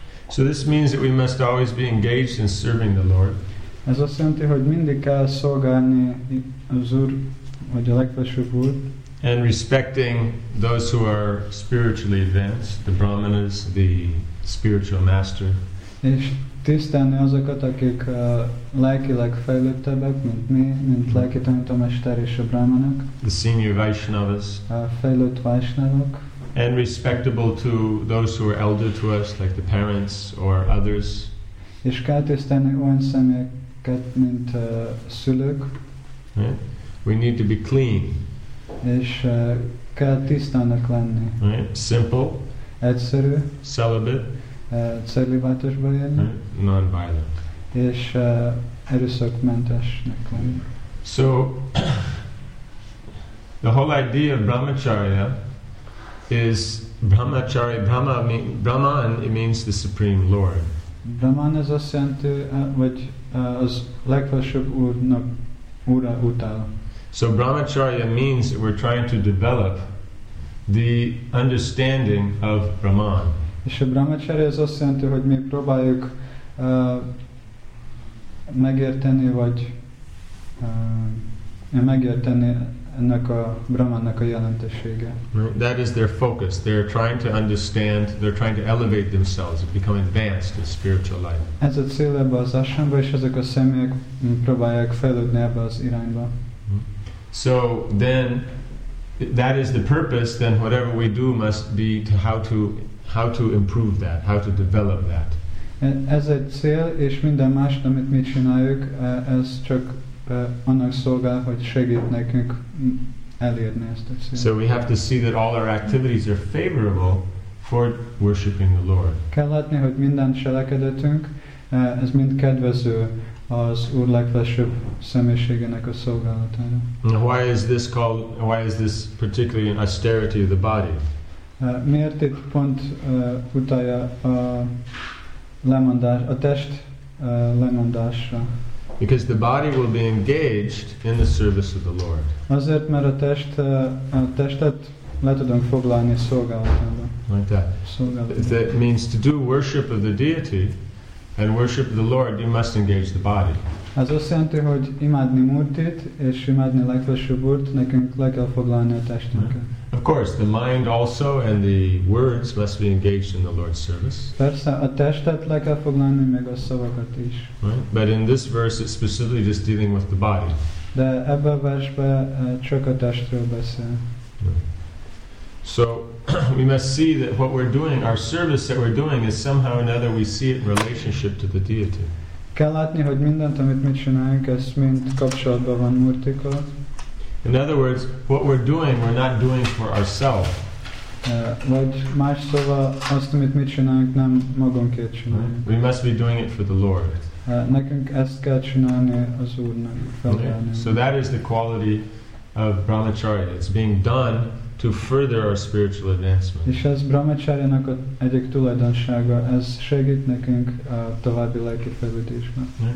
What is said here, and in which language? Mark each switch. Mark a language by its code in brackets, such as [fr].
[en] So this means that we must always be engaged in serving the Lord. [hu] Ez azt jelenti, hogy mindig kell szolgálni az Úr, vagy a legfelsőbb Úr. [en] And respecting those who are spiritually advanced, the brahmanas, the spiritual master. [hu] És tisztelni azokat, akik lelkileg fejlődtebbek, mint mi, mint lelki tanítómester és a brahmanak. [en] The senior Vaishnavas. [hu] A fejlődt Vaishnavak. [en] And respectable to those who are elder to us, like the parents or others. [hu] És kell tisztelni olyan személyeket, mint szülők. [en] We need to be clean. [hu] És kell tisztának lenni. [en] Simple. [hu] Egyszerű. [en] Celibate. [hu] Celibátusba élni. [en] Non-violent. [hu] És erőszakmentesnek lenni. [en] So, the whole idea of brahmacharya is brahmacharya, brahman, it means the supreme lord. [hu] Brahman is azt jelenti, vagy az legfelsőbb úrnak, úrra utal. [en] So brahmacharya means that we're trying to develop the understanding of brahman. [hu] És a brahmacharya az azt jelenti, hogy mi próbáljuk megérteni, vagy megérteni ennek a brahmannak a jelentősége. [en] That is their focus. They're trying to understand, they're trying to elevate themselves, become advanced in spiritual life. [hu] Ez a cél ebbe az ashramba, és ezek a személyek próbálják fejlődni ebbe az irányba. [en] So then, that is the purpose, then whatever we do must be to how to improve that, how to develop that. [hu] Ez egy cél, és minden más, amit mi csináljuk, ez csak annak szolgál, hogy segít nekünk elérni ezt a célt. [en] So we have to see that all our activities are favorable for worshiping the Lord. [hu] Kell látni, hogy minden cselekedetünk, ez mind kedvező az Úr legfelsőbb személyiségének a szolgálatára. [en] Why is this particularly an austerity of the body? [hu] Miért itt pont utalja a lemondás, a test lemondásra? [en] Because the body will be engaged in the service of the Lord. [hu] Azért, mert a testet le tudunk foglalni szolgálatába. [en] Like that. That means to do worship of the deity and worship the Lord, you must engage the body. [hu] Az azt jelenti, hogy imádni Murtit és imádni legfelsőbb Urt, nekünk le kell foglalni a testünket. [en] Of course, the mind also and the words must be engaged in the Lord's service. [hu] Persze, a testet le kell foglalni, meg a szavakat is. [en] Right? But in this verse, it's specifically just dealing with the body. [hu] De ebbe a versbe csak a testről beszél. [en] So we must see that what we're doing, our service that we're doing, is somehow or another we see it in relationship to the deity. [hu] Kell látni, hogy mindent, amit mi csinálunk, ez mind kapcsolatban van Murtikkal. [en] In other words, what we're doing, we're not doing for ourselves. [hu] Vagy más szóval, azt, amit mi csinálunk, nem magunkért csináljuk. [en] Right? We must be doing it for the Lord. [hu] Nekünk ezt kell csinálni az Úrnak. [en] Okay. So that is the quality of brahmacharya. It's being done to further our spiritual advancement. [hu] És ez brahmacharyának egyik tulajdonsága, ez segít nekünk a további lelki fejlődésben.